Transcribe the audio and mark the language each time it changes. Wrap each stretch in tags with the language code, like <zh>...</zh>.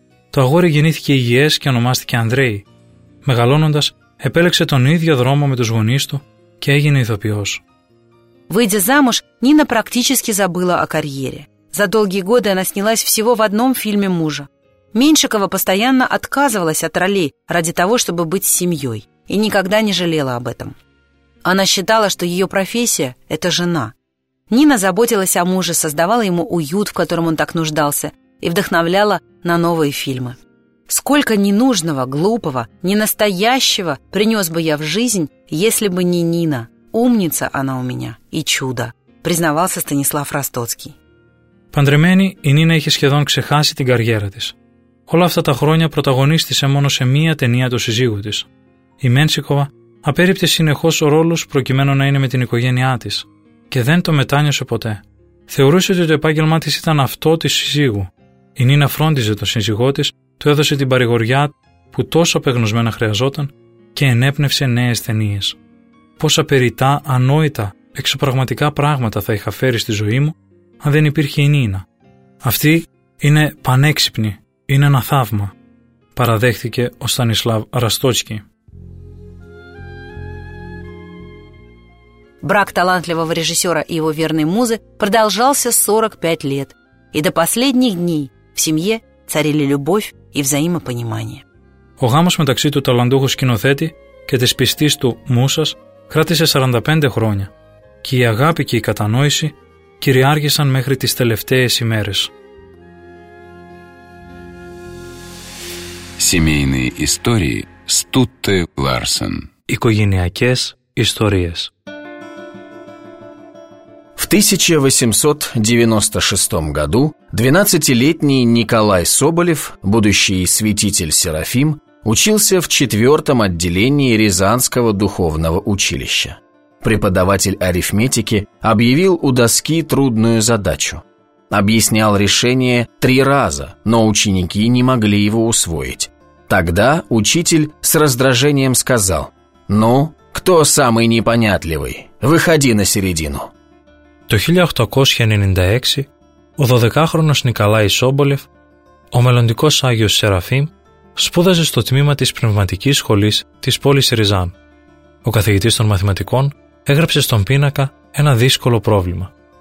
<el>Το αγόρι γεννήθηκε υγιές και ονομάστηκε Ανδρέη. Μεγαλώνοντας, επέλεξε τον ίδιο δρόμο με τους γονείς του και έγινε ηθοποιός.</el> <ru>Выйдя замуж, Нина практически забыла о карьере. За долгие годы она снялась всего в одном фильме мужа. Меньшикова постоянно отказывалась от ролей ради того, чтобы быть с семьей. И никогда не жалела об этом. Она считала, что ее профессия – это жена. Нина заботилась о муже, создавала ему уют, в котором он так нуждался, и вдохновляла на новые фильмы. Сколько ненужного, глупого, ненастоящего принес бы я в жизнь, если бы не Нина. Умница она у меня и чудо. признавался Станислав Ростоцкий.</ru> <el>Παντρεμένη, η Νίνα είχε σχεδόν ξεχάσει την καριέρα της. Όλα αυτά τα χρόνια πρωταγωνίστησε μόνο σε μία ταινία του συζύγου της. Η Μένσικοβα απέρριπτε συνεχώς ρόλους προκειμένου να είναι με την οικογένειά της και δεν το μετάνιωσε ποτέ. Θεωρούσε ότι το επάγγελμά της ήταν αυτό της συζύγου. Η Νίνα φρόντιζε τον σύζυγό της, του έδωσε την παρηγοριά που τόσο απεγνωσμένα χρειαζόταν και ενέπνευσε νέες ταινίες. Πόσα περιττά, ανόητα, εξωπραγματικά πράγματα θα είχα φέρει στη ζωή μου αν δεν υπήρχε η Νίνα. Αυτή είναι πανέξυπνη, είναι ένα θαύμα, παραδέχθηκε ο Στανισλάβ Ραστότσκι.</el> <ru>Брак талантливого режиссера и его верной музы продолжался 45 лет, и до последних дней в семье царили любовь и взаимопонимание.</ru> <el>Ο γάμος μεταξύ του ταλαντούχου σκηνοθέτη και της πιστής του Μούσας κράτησε 45 χρόνια και η αγάπη και η κατανόηση κυριάρχησαν μέχρι τις τελευταίες ημέρες.</el> <ru>Семейные истории Стутте Ларсен.</ru> <el>Οικογενειακές ιστορίες.</el> <ru>В 1896 году 12-летний Николай Соболев, будущий святитель Серафим, учился в 4-м отделении Рязанского духовного училища. Преподаватель арифметики объявил у доски трудную задачу. Объяснял решение 3 раза, но ученики не могли его усвоить. Тогда учитель с раздражением сказал: «Ну, кто самый непонятливый? Выходи на середину».</ru> <el>Το 1896, ο 12χρονος Νικολάη Σόμπολεφ, ο μελλοντικός Άγιος Σεραφείμ, σπούδαζε στο τμήμα της Πνευματικής Σχολής της πόλης Ριζάν. Ο καθηγητής των μαθηματικών έγραψε στον πίνακα ένα δύσκολο πρόβλημα.</el>